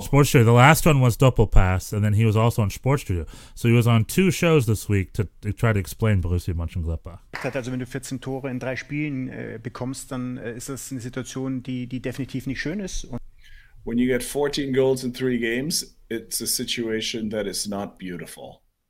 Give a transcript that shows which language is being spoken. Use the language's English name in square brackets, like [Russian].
[English] Sports Studio. The last one was Doppelpass, and then he was also on Sports Studio. So he was on two shows this week to try to explain Borussia Mönchengladbach. [German] Also, wenn du 14 Tore in drei Spielen bekommst, dann ist das eine Situation, die definitiv nicht schön ist. [English] When you get 14 goals in three games, it's a situation that is not beautiful.